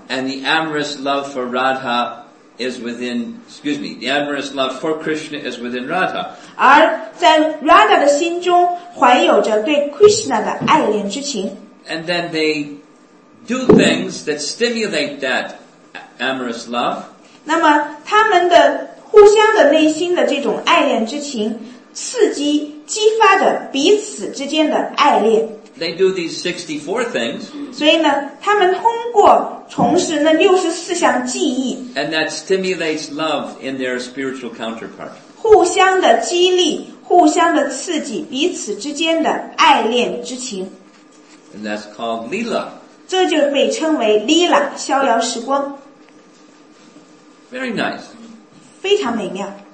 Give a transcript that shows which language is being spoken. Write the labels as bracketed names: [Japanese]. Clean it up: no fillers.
[English] And the amorous love for Radha is within, excuse me, the amorous love for Krishna is within Radha. [Chinese] 而在 Radha 的心中怀有着对 Krishna 的爱恋之情。 [English] And then they do things that stimulate that amorous love. [Chinese] 那么他们的互相的内心的这种爱恋之情刺激激发着彼此之间的爱恋。 [English] They do these 64 things. [Chinese] 所以呢，他们通过从事那64项技艺。 [English] And that stimulates love in their spiritual counterpart. [Chinese] 互相的激励，互相的刺激彼此之间的爱恋之情。 [English] And that's called Leela. [Chinese] 这就被称为 Leela, 逍遥时光。 [English] Very nice. [Chinese] 非常美妙。